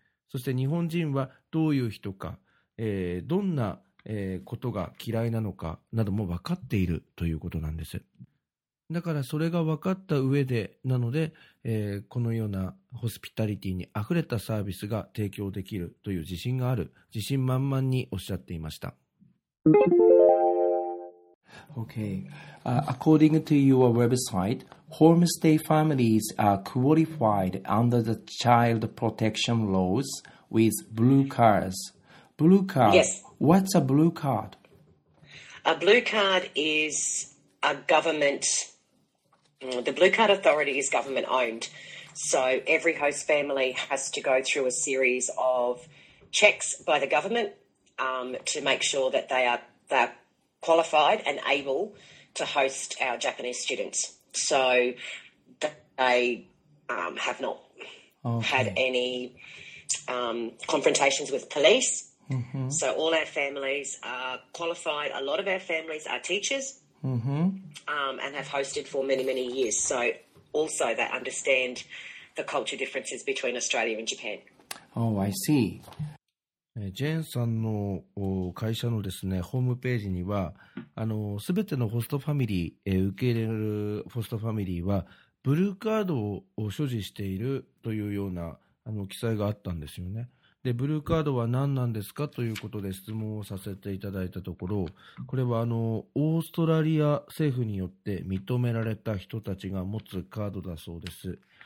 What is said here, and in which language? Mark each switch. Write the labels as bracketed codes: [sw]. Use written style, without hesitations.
[ja] そして日本人はどういう人か、どんな、ことが嫌いなのかなども分かっているということなんです。だからそれが分かった上でなので、このようなホスピタリティにあふれたサービスが提供できるという自信がある、自信満々におっしゃっていました。 [en] Okay. According to your website, homestay families are qualified under the child protection laws with blue cards. Blue card? Yes. What's a blue card? A blue card is a government... The Blue Card Authority is government owned, so every host family has to go through a series of checks by the government to make sure that they are qualified and able to host our Japanese students. So they have not had any confrontations with police. Mm-hmm. So all our families are qualified. A lot of our families are teachers. Mm-hmm. And have hosted for many, many years. So also they understand the culture differences between Australia and Japan. Oh, I see. [ja] ジェーンさんの会社のですね、ホームページには、すべてのホストファミリー、受け入れるホストファミリーは、ブルーカードを所持しているというような記載があったんですよね。で、ブルーカードは何なんですかということで質問をさせていただいたところ、これはオーストラリア政府によって認められた人たちが持つカードだそうです。